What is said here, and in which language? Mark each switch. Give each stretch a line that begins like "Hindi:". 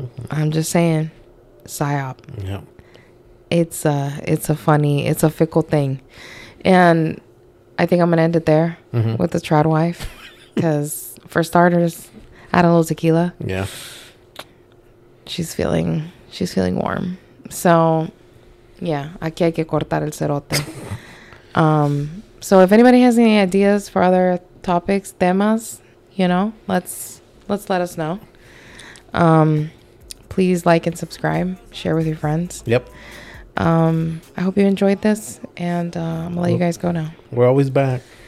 English: I'm just saying, PSYOP. Yeah, it's a fickle thing, and I think I'm gonna end it there with the trad wife, because for starters, add a little tequila. Yeah, she's feeling warm. So, yeah,
Spanish: aquí hay que cortar el cerote.
English: So if anybody has any ideas for other topics, temas, you know, let's let us know. Please like and subscribe, share with your friends. Yep. I hope you enjoyed this, and I'm gonna let you guys go now. We're always back,